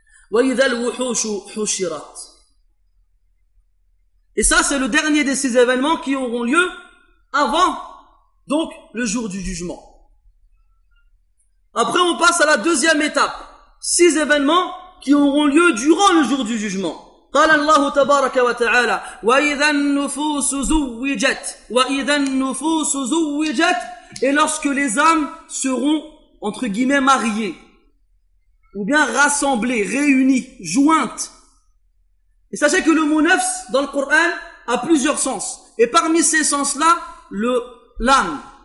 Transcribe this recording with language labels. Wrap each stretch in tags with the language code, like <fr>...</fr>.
<ar>وَإِذَا الْوُحُوشُ حُشِرَتْ.</ar> <fr>Et ça, c'est le dernier de ces événements qui auront lieu avant, donc, le jour du jugement. Après, on passe à la deuxième étape. Six événements qui auront lieu durant le jour du jugement.</fr> <ar>قال الله تبارك وتعالى وإذا النفوس زوجت وإذا النفوس زوجت.</ar> <fr>Et lorsque les âmes seront entre guillemets mariées ou bien rassemblées, réunies, jointes. Et sachez que le mot nafs dans le Coran a plusieurs sens, et parmi ces sens là l'âme.</fr>